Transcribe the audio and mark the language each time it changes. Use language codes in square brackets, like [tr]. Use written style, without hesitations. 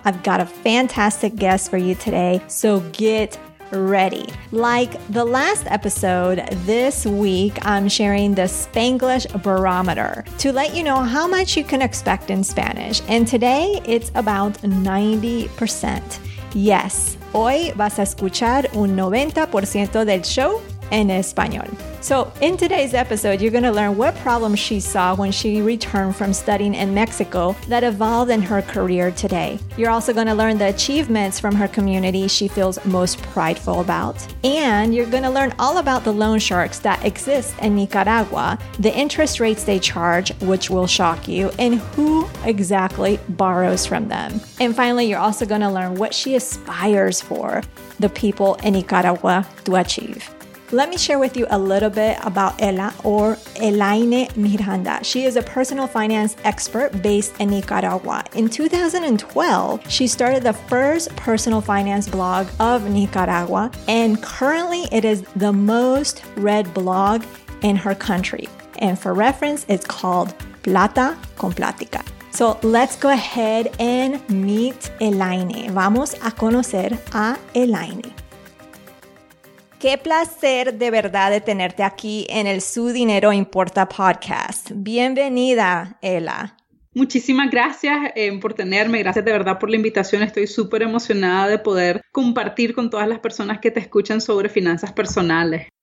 [en] I've got a fantastic guest for you today, so get ready. Like the last episode, this week I'm sharing the Spanglish barometer to let you know how much you can expect in Spanish. And today it's about 90%. Yes. [es] Hoy vas a escuchar un 90% del show en español. [en] So in today's episode, you're going to learn what problems she saw when she returned from studying in Mexico that evolved in her career today. You're also going to learn the achievements from her community she feels most prideful about. And you're going to learn all about the loan sharks that exist in Nicaragua, the interest rates they charge, which will shock you, and who exactly borrows from them. And finally, you're also going to learn what she aspires for the people in Nicaragua to achieve. Let me share with you a little bit about Ella, or Elaine Miranda. She is a personal finance expert based in Nicaragua. In 2012, she started the first personal finance blog of Nicaragua, and currently it is the most read blog in her country. And for reference, it's called Plata con Plática. So let's go ahead and meet Elaine. [es] Vamos a conocer a Elaine. Qué placer de verdad de tenerte aquí en el Su Dinero Importa podcast. Bienvenida, Ella. Muchísimas gracias por tenerme. Gracias de verdad por la invitación. Estoy súper emocionada de poder compartir con todas las personas que te escuchan sobre finanzas personales.